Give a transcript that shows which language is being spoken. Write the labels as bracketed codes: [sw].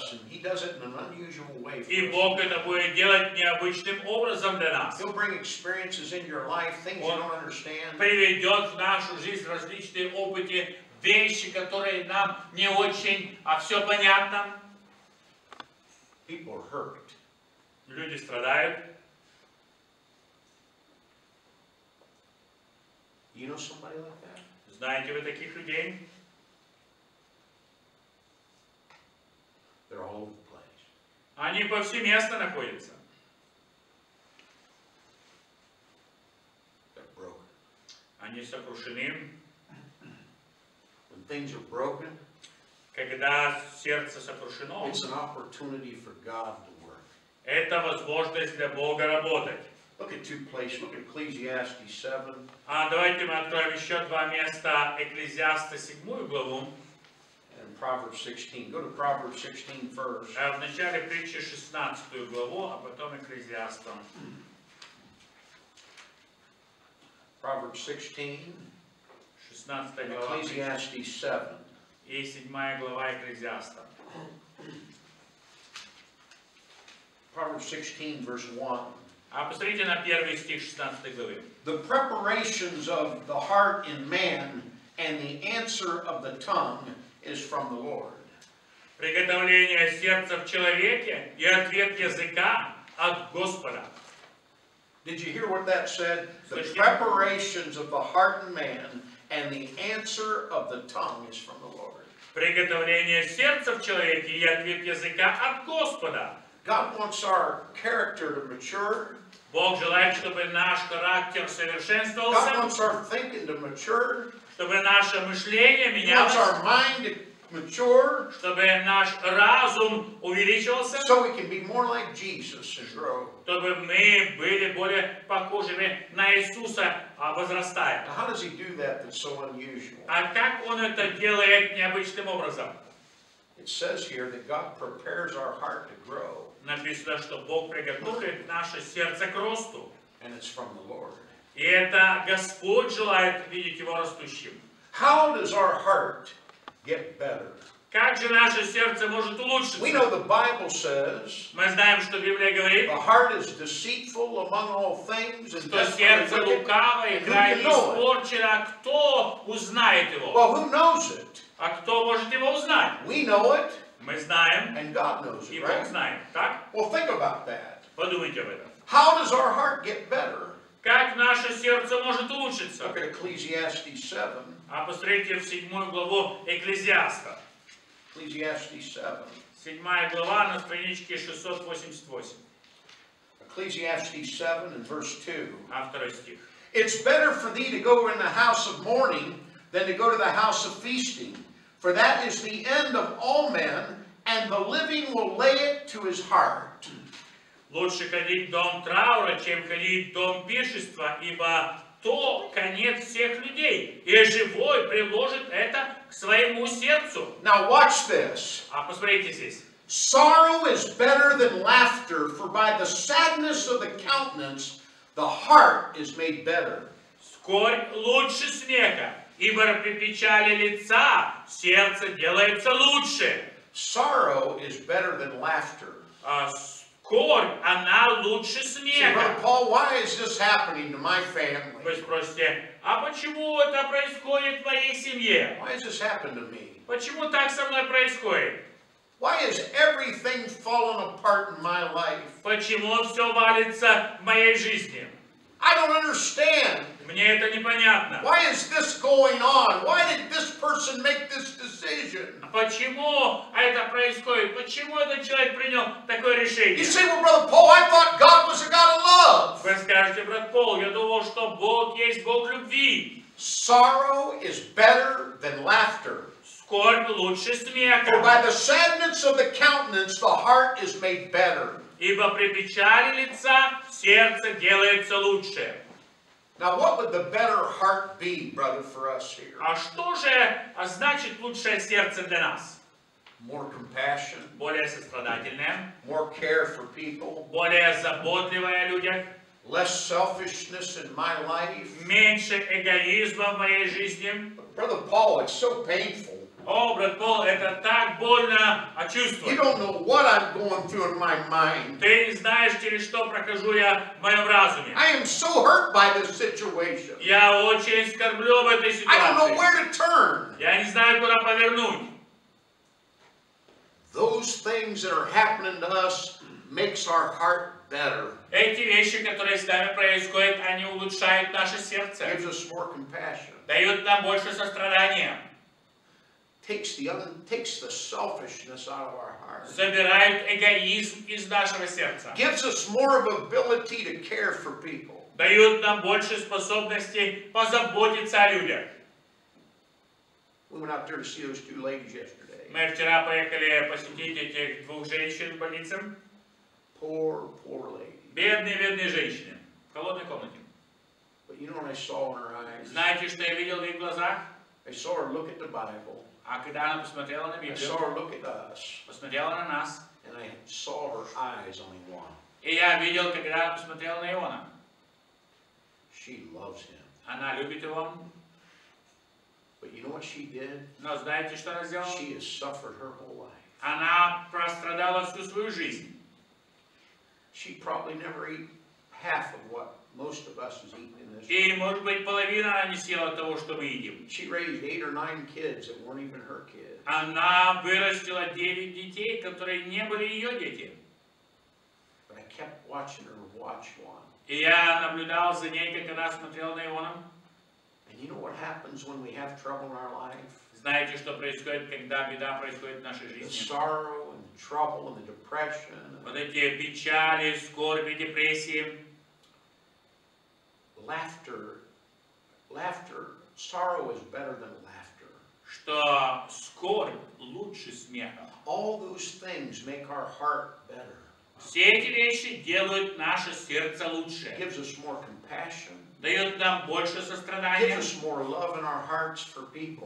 [ru] И Бог это будет делать необычным образом для нас. [en] He'll bring experiences in your life, things you don't understand. [ru] Приведет в нашу жизнь различные опыты, вещи, которые нам не очень, а все понятно. [en] People hurt. [ru] Люди страдают. [en] You know somebody like that? [ru] Знаете вы таких людей? [en] They're all over the place. [ru] Они повсеместно находятся. [en] They're broken. [ru] Они сокрушены. [en] When things are broken, [ru] когда сердце сокрушено, [en] it's an opportunity for God to work. [ru] Это возможность для Бога работать. [en] Look at two places. Look at Ecclesiastes 7. [ru] Давайте мы откроем еще два места Екклезиаста 7 главу. [en] And Proverbs 16. Go to Proverbs 16 first. [ru] Вначале притча 16 главу, а потом Екклезиастом. [en] Proverbs 16. [ru] 16 глава. [en] Ecclesiastes 7. [ru] И 7 глава Екклезиаста. [en] Proverbs 16, verse 1. [ru] А посмотрите на первый стих 16 главы. [en] The preparations of the heart in man and the answer of the tongue is from the Lord. [ru] Приготовление сердца в человеке и ответ языка от Господа. [en] Did you hear what that said? The preparations of the heart and man and the answer of the tongue is from the Lord. [ru] Приготовление сердца в человеке и ответ языка от Господа. [en] God wants our character to mature. [ru] Бог желает, чтобы наш характер совершенствовался. [en] God wants our thinking to mature. [ru] Чтобы наше мышление менялось. [en] He wants our mind to mature. [ru] Чтобы наш разум увеличивался. [en] So we can be more like Jesus and grow. [ru] Чтобы мы были более похожими на Иисуса, возрастая. [en] How does he do that that's so unusual? [ru] А как он это делает необычным образом? [en] It says here that God prepares our heart to grow. [ru] Написано, что Бог приготовит наше сердце к росту. [en] And it's from the Lord. [ru] И это Господь желает видеть его растущим. [en] How does our heart get better? [ru] Как же наше сердце может улучшиться? [en] We know the Bible says. [ru] Мы знаем, что Библия говорит. [en] The heart is deceitful among all things and [ru] сердце лукавое, крайне испорчено. А кто узнает его? [en] Well, who knows it? [ru] А кто может его узнать? [en] We know it. [ru] Мы знаем. [en] And God knows it, right? [ru] И Бог знает, так? [en] Well, think about that. [ru] Подумайте об этом. [en] How does our heart get better? [ru] Как наше сердце может улучшиться? [en] Look at Ecclesiastes 7. [ru] А посмотрите в 7 главу Екклезиаста. [en] Ecclesiastes 7. [ru] 7 глава на страничке 688. [en] Ecclesiastes 7 and verse 2. [ru] А второй стих. [en] It's better for thee to go in the house of mourning than to go to the house of feasting. For that is the end of all men, and the living will lay it to his heart. [ru] Лучше ходить в дом траура, чем ходить в дом пиршества, ибо то конец всех людей, и живой приложит это к своему сердцу. [en] Now watch this. [ru] А посмотрите здесь. [en] Sorrow is better than laughter, for by the sadness of the countenance, the heart is made better. [ru] Скорбь лучше смеха, ибо при печали лица сердце делается лучше. [en] Sorrow is better than laughter. [ru] Скорбь, она лучше смеха. [en] See, Paul, why is this happening to my family? [ru] Вы спросите, а почему это происходит в моей семье? [en] Why has this happened to me? [ru] Почему так со мной происходит? [en] Why is everything falling apart in my life? [ru] Почему все валится в моей жизни? [en] I don't understand. [ru] Мне это непонятно. [en] Why is this going on? Why did this person make this decision? [ru] Почему это происходит? Почему этот человек принял такое решение? [en] You say, well, Brother Paul, I thought God was a God of love. [ru] Вы скажете, брат Пол, я думал, что Бог есть Бог любви. [en] Sorrow is better than laughter. [ru] Скорбь лучше смеха. [en] For by the sadness of the countenance, the heart is made better. [ru] Ибо при печали лица сердце делается лучше. [en] Now, what would the better heart be, brother, for us here? [ru] А что же значит лучшее сердце для нас? [en] More compassion. [ru] Более сострадательное. [en] More care for people. [ru] Более заботливое о людях. [en] Less selfishness in my life. [ru] Меньше эгоизма в моей жизни. [en] Brother Paul, it's so painful. [ru] О, брат Пол, это так больно чувствовать. [en] You don't know what I'm going through in my mind. [ru] Ты не знаешь, через что прохожу я в моем разуме. [en] I am so hurt by this situation. [ru] Я очень скорблю об этой ситуации. [en] I don't know where to turn. [ru] Я не знаю, куда повернуть. [en] Those things that are happening to us makes our heart better. [ru] Эти вещи, которые с нами происходят, они улучшают наше сердце. [en] Gives us more compassion. [ru] Дают нам больше сострадания. [en] Takes the selfishness out of our heart. [ru] Забирает эгоизм из нашего сердца. [en] Gives us more of ability to care for people. [ru] Дает нам больше способностей позаботиться о людях. [en] We went out there to see those two ladies yesterday. [ru] Мы вчера поехали посетить этих двух женщин в больнице. [en] Poor, poor lady. [ru] Бедные, бедные женщины. В холодной комнате. [en] But you know what I saw in her eyes? [ru] Знаете, что я видел в их глазах? [en] I saw her look at the Bible. [ru] А когда она посмотрела на Библию, [en] I saw her look at us, [ru] посмотрела на нас, [en] and I saw her eyes on Iwana. [ru] И я видел, когда она посмотрела на Ивана. [en] She loves him. [ru] Она любит его. [en] But you know what she did? [ru] Но знаете, что она сделала? [en] She has suffered her whole life. [ru] Она прострадала всю свою жизнь. [en] She probably never ate half of what most of us has eaten in this world. [ru] И, может быть, половина она не съела того, что мы едим. [en] She raised 8 or 9 kids that weren't even her kids. [ru] Она вырастила 9 детей, которые не были ее дети. [en] But I kept watching her watch one. [ru] И я наблюдал за ней, как она смотрела на его. [en] And you know what happens when we have trouble in our life? [ru] Знаете, что происходит, когда беда происходит в нашей жизни? [en] The sorrow and the trouble and the depression. [ru] Вот эти печали, скорби, депрессии. [en] Laughter. Sorrow is better than laughter. [ru] Что скорбь лучше смеха. [en] All those things make our heart better. [ru] Все эти вещи делают наше сердце лучше. [en] Gives us more compassion. [ru] Дает нам больше сострадания. [en] Gives us more love in our hearts for people.